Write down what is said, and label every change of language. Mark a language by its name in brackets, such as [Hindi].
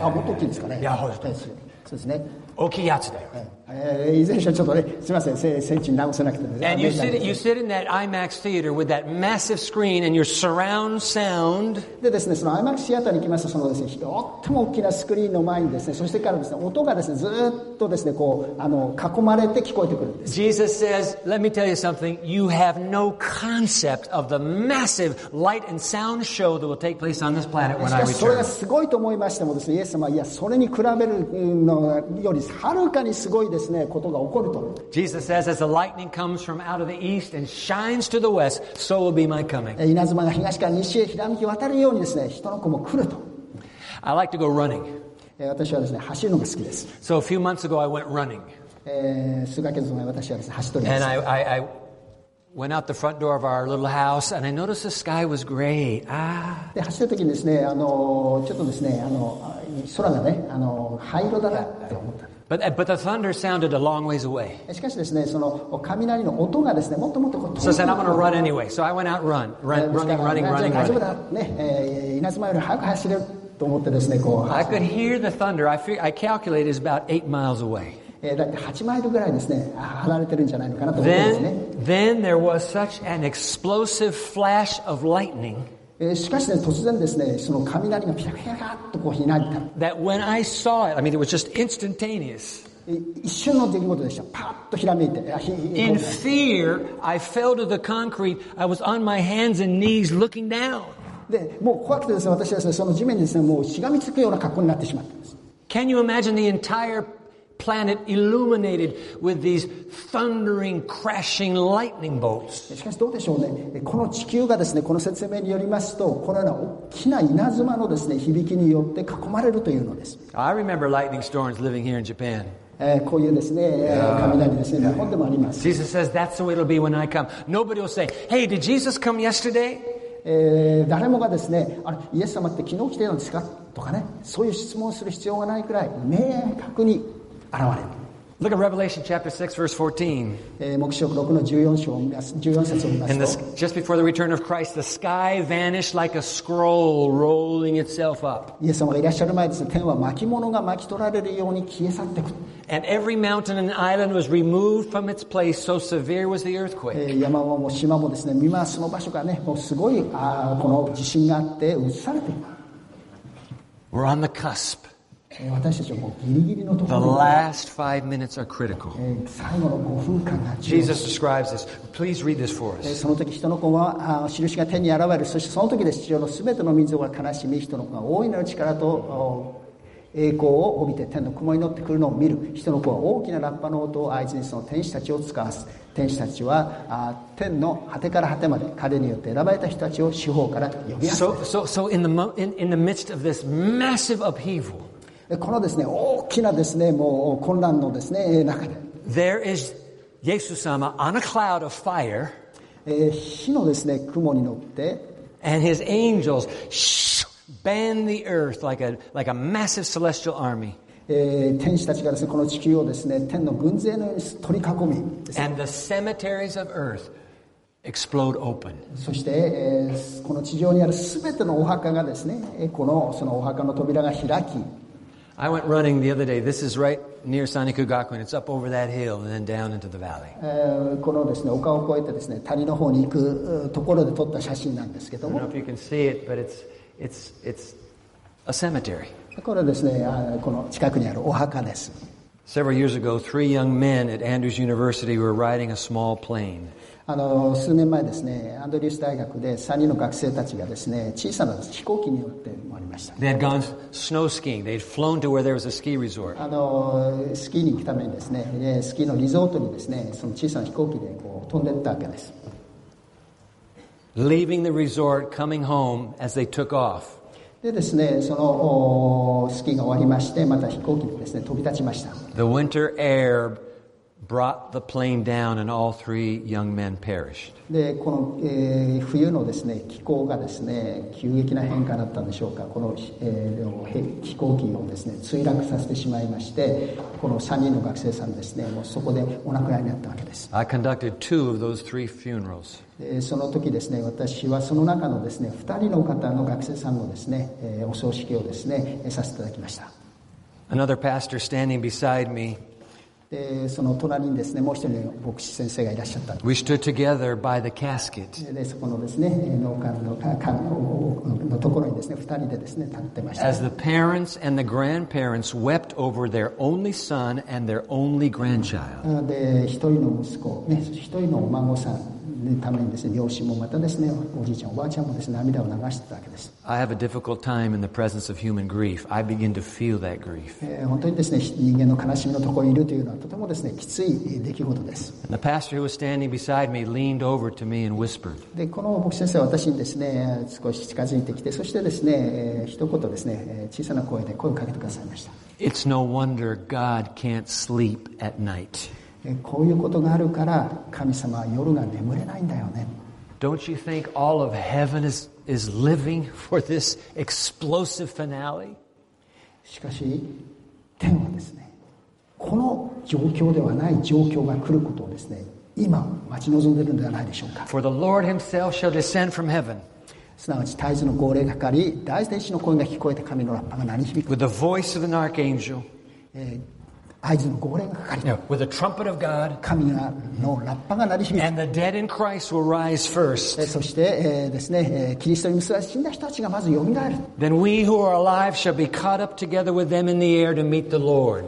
[Japanese] あ、もっと大きいですかね。やほど。そうですね。大きいやつだよ。以前はちょっとね、すみません、戦地に直せなくてですね。 [English] And you sit in that IMAX theater with that massive screen and your surround sound. [Japanese] でですね、その IMAX シアターに来ますと、そのですね、とっても大きなスクリーンの前にですね、そしてからですね、音がですね、ずっとですね、こう、あの、囲まれて聞こえてくるんです。 [English] Jesus says, let me tell you something, you have no concept of the massive light and sound show that will take place on this planet when I return. [Japanese] しかし、それがすごいと思いましてもですね、イエス様、いや、それに比べるのよりはるかにすごいですね、ことが起こると。 [English] Jesus says, as the lightning comes from out of the east and shines to the west, so will be my coming. [Japanese] 稲妻が東から西へひらめき渡るようにですね、人の子も来ると。 [English] I like to go running. [Japanese] 私はですね、走るのが好きです。 [English] So a few months ago, I went running. [Japanese] 数ヶ月前、私はですね、走っております。 [English] And I went out the front door of our little house, and I noticed the sky was gray. [Japanese] で、走るときにですね、あの、ちょっとですね、あの、空がね、あの、灰色だなって思った。 [English] But the thunder sounded a long ways away. [Japanese] しかしですね、その雷の音がですね、もっともっとこう遠い。 [English] So I said, I'm going to run anyway. So I went out running. [Japanese] 大丈夫だ。ね、稲妻より早く走れると思ってですね、こう。 [English] I could hear the thunder. I calculated it's about 8 miles away. [Japanese] だって8マイルぐらいですね、離れてるんじゃないのかなと思うんですね。 [English] Then there was such an explosive flash of lightning. [Japanese] しかしね、突然ですね、その雷がピャピャピャッとこう開いた。 [English] That when I saw it, I mean, it was just instantaneous. [Japanese] 一瞬の出来事でした。パッとひらめいて。 [English] In fear, I fell to the concrete. I was on my hands and knees looking down. [Japanese] で、もう怖くてですね、私はですね、その地面にですね、もうしがみつくような格好になってしまったんです。 [English] Can you imagine the entire planet illuminated with these thundering, crashing lightning bolts? [Japanese] しかしどうでしょうね。この地球がですね、この説明によりますと、このような大きな稲妻のですね、響きによって囲まれるというのです。 [English] I remember lightning storms living here in Japan. [Japanese] こういうですね、雷ですね、日本でもあります。 [English] Jesus says, that's the way it'll be when I come. Nobody will say, hey, did Jesus come yesterday? [Japanese] 誰もがですね、あれ、イエス様って昨日来てるんですかとかね、そういう質問をする必要がないくらい、明確に現れる。 [English] Look at Revelation chapter 6, verse 14. [Japanese] 黙示録6の14章を見ます、14節を見ますと。 [English] And this, just before the return of Christ, the sky vanished like a scroll rolling itself up. [Japanese] イエス様がいらっしゃる前ですね、天は巻物が巻き取られるように消え去っていく。 [English] And every mountain and island was removed from its place, so severe was the earthquake. [Japanese] 山も島もですね、見ます、その場所がね、もうすごい、この地震があって、移されていく。 [English] We're on the cusp. [Japanese] 私たちはもうギリギリのところ。 [English] The last five minutes are critical. [Japanese] 最後の5分間が。 [English] Jesus describes this. Please read this for us. [Japanese] その時人の子は印が天に現れる。そしてその時で地上のすべての民族が悲しみ、人の子が大いなる力と栄光を帯びて天の雲に乗ってくるのを見る。人の子は大きなラッパの音を合図にその天使たちを遣わす。天使たちは天の果てから果てまで彼によって選ばれた人たちを四方から呼び集める。 [English] So in the midst of this massive upheaval. [Japanese] このですね、大きなですね、もう混乱のですね、中で。 [English] There is Jesus 様 on a cloud of fire. [Japanese] 火のですね、雲に乗って。 [English] And his angels band the earth like a massive celestial army. [Japanese] 天使たちがですね、この地球をですね、天の軍勢のように取り囲み。 [English] And the cemeteries of earth explode open. [Japanese] そして、この地上にあるすべてのお墓がですね、このそのお墓の扉が開き、 [English] I went running the other day. This is right near Sanikugakuin. It's up over that hill and then down into the valley. [Japanese] このですね、丘を越えてですね、谷の方に行くところで撮った写真なんですけども。 [English] I don't know if you can see it, but it's a cemetery. [Japanese] これですね、この近くにあるお墓です。 [English] Several years ago, three young men at Andrews University were riding a small plane. [Japanese] 数年前ですね、アンドリュース大学で3人の学生たちがですね、小さな飛行機に乗って回りました。 [English] They had gone snow skiing. They had flown to where there was a ski resort. [Japanese] スキーに行くためにですね、スキーのリゾートにですね、その小さな飛行機でこう飛んでったわけです。 [English] Leaving the resort, coming home as they took off. [Japanese] でですね、そのスキーが終わりまして、また飛行機にですね、飛び立ちました。 [English] The winter air brought the plane down and all three young men perished. [Japanese] で、この、冬のですね、気候がですね、急激な変化だったんでしょうか。この、飛行機をですね、墜落させてしまいまして、この3人の学生さんですね、もうそこでお亡くなりになったわけです。 [English] I conducted two of those three funerals. [Japanese] その時ですね、私はその中のですね、2人の方の学生さんのですね、お葬式をですね、させていただきました。 [English] Another pastor standing beside me. [Japanese] で、その隣にですね、もう一人の牧師先生がいらっしゃった。 [English] We stood together by the casket. [Japanese] で、そこのですね、納棺の、ところにですね、2人でですね、立ってました。 [English] As the parents and the grandparents wept over their only son and their only grandchild. [Japanese] で、1人の息子、ね、1人のお孫さん。ためにですね、両親もまたですね、おじいちゃんおばあちゃんもですね、涙を流してたわけです。 [English] I have a difficult time in the presence of human grief. I begin to feel that grief. [Japanese] 本当にですね、人間の悲しみのところにいるというのはとてもですね、きつい出来事です。 [English] And the pastor who was standing beside me leaned over to me and whispered. [Japanese] で、この牧師先生は私にですね、少し近づいてきて、そしてですね、一言ですね、小さな声で声をかけてくださいました。 [English] It's no wonder God can't sleep at night. [Japanese] こういうことがあるから神様は夜が眠れないんだよね。 [English] Don't you think all of heaven is living for this explosive finale? [Japanese] しかし天はですね、この状況ではない状況が来ることをですね、今待ち望んでいるのではないでしょうか。 [English] For the Lord Himself shall descend from heaven. [Japanese] すなわち大使の号令がかかり、大天使の声が聞こえて神のラッパが鳴り響く。 [English] With the voice of an archangel. With the trumpet of God, and the dead in Christ will rise first. Then we who are alive shall be caught up together with them in the air to meet the Lord.